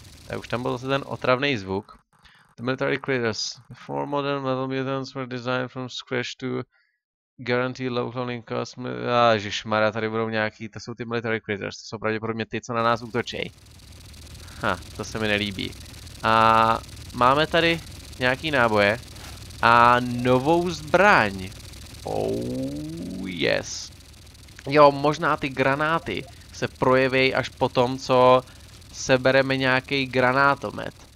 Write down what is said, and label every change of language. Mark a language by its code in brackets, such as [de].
[cs] Tak už tam byl zase ten otravný zvuk. [en] The military critters. The four modern metal mutants were designed from scratch to guaranteed low cloning cost. [cs] Ježišmarja, tady budou nějaký, to jsou ty military critters, to jsou pravděpodobně ty, co na nás útočí. Ha, to se mi nelíbí. A máme tady nějaký náboje a novou zbraň. [en] Oh yes. [cs] Jo, možná ty granáty se projeví až po tom, co sebereme nějaký granátomet.